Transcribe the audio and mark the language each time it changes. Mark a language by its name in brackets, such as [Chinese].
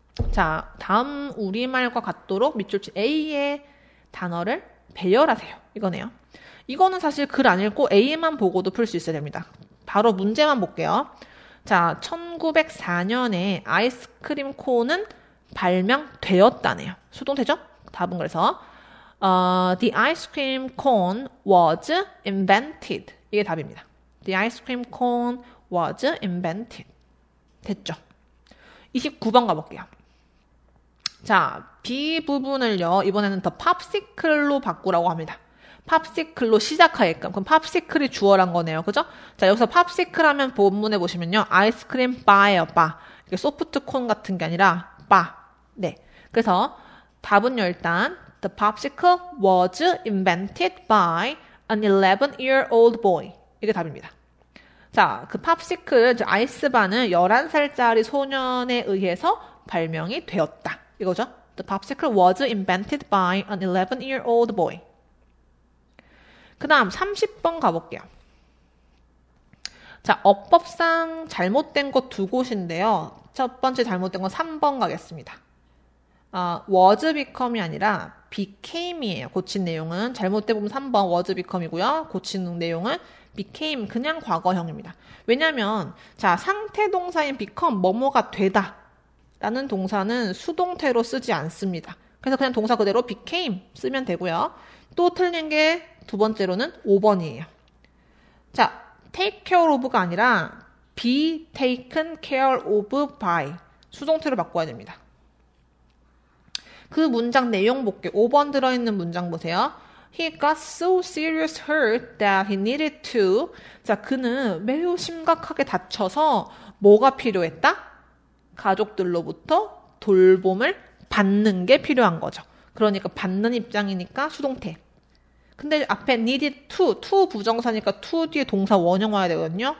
[Korean] 자, 다음 우리말과 같도록 밑줄 친 A의 단어를 배열하세요. 이거네요. 이거는 사실 글 안 읽고 A만 보고도 풀 수 있어야 됩니다. 바로 문제만 볼게요. 자, 1904년에 아이스크림 콘은 발명되었다네요. 수동태죠? [English] 답은 그래서 The ice cream cone was invented. [Korean] 이게 답입니다. [English] The ice cream cone was invented. [Korean] 됐죠? 29번 가볼게요. 자, B 부분을요. 이번에는 더 팝시클로 바꾸라고 합니다. 팝시클로 시작하게끔. 그럼 팝시클이 주어란 거네요. 그죠? 자, 여기서 팝시클 하면 본문에 보시면요. 아이스크림 바예요. 바. 이게 소프트콘 같은 게 아니라 바. 네. 그래서 답은요. [English] 일단 The popsicle was invented by an 11-year-old boy. 이게 답입니다. [Korean] 자, 그 팝시클, 아이스바는 11살짜리 소년에 의해서 발명이 되었다. 이거죠? [English] The popsicle was invented by an 11-year-old boy. [Korean] 그 다음 30번 가볼게요. 자, 어법상 잘못된 것 두 곳인데요. 첫 번째 잘못된 건 3번 가겠습니다. [English] Was become [Korean] 이 아니라 became이에요. 고친 내용은. 잘못돼 보면 3번 [English] was become [Korean] 이고요. 고친 내용은 became, 그냥 과거형입니다. 왜냐하면 자, 상태동사인 become, 뭐뭐가 되다. 라는 동사는 수동태로 쓰지 않습니다. 그래서 그냥 동사 그대로 became 쓰면 되고요. 또 틀린 게 두 번째로는 5번이에요. 자, [English] take care of [Korean] 가 아니라 [English] be taken care of by [Korean] 수동태로 바꿔야 됩니다. 그 문장 내용 볼게요. 5번 들어있는 문장 보세요. [English] He got so serious hurt that he needed to. [Korean] 자, 그는 매우 심각하게 다쳐서 뭐가 필요했다? 가족들로부터 돌봄을 받는 게 필요한 거죠. 그러니까 받는 입장이니까 수동태. 근데 앞에 [English] needed to [Korean] 부정사니까 to 뒤에 동사 원형 와야 되거든요.